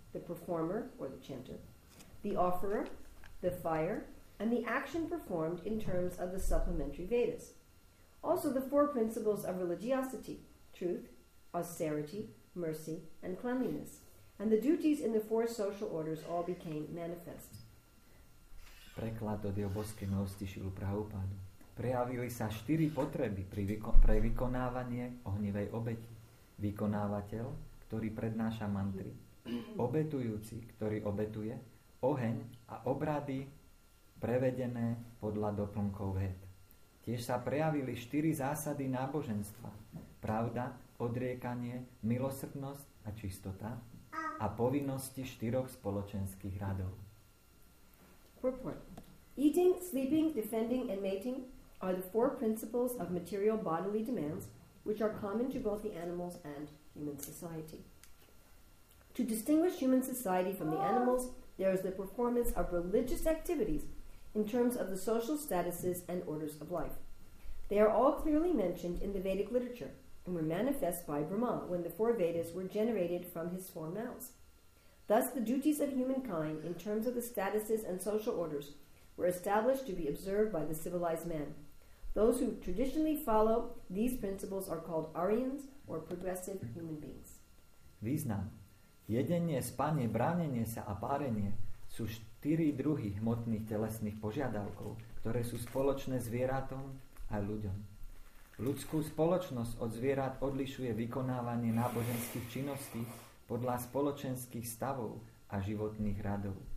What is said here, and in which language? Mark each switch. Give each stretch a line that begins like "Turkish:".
English: the performer or the chanter, the offerer, the fire, and the action performed in terms of the supplementary Vedas. Also the four principles of religiosity, truth, austerity, mercy, and cleanliness, and the duties in the four social orders all became manifest.
Slovak: Preklad od Jeho Božskej milosti Šrilu Prabhupádu. Prejavili sa štyri potreby pre vykonávanie ohnivej obeti. Vykonávateľ, ktorý prednáša mantry, obetujúci, ktorý obetuje, oheň a obrady prevedené podľa doplnkov Véd. Tiež sa prejavili štyri zásady náboženstva. Pravda, odriekanie, milosrdnosť a čistota a povinnosti štyroch spoločenských radov.
English: Purport. Eating, sleeping, defending, and mating are the four principles of material bodily demands which are common to both the animals and human society. To distinguish human society from the animals, there is the performance of religious activities in terms of the social statuses and orders of life. They are all clearly mentioned in the Vedic literature and were manifest by Brahma when the four Vedas were generated from his four mouths. Thus, the duties of humankind in terms of the statuses and social orders were established to be observed by the civilized man. Those who traditionally follow these principles are called Aryans or progressive human beings.
Slovak: Význam. Jedenie, spanie, bránenie sa a párenie sú štyri druhy hmotných telesných požiadavkov, ktoré sú spoločné zvieratom a ľuďom. Ľudskú spoločnosť od zvierat odlišuje vykonávanie náboženských činností podľa spoločenských stavov a životných radov.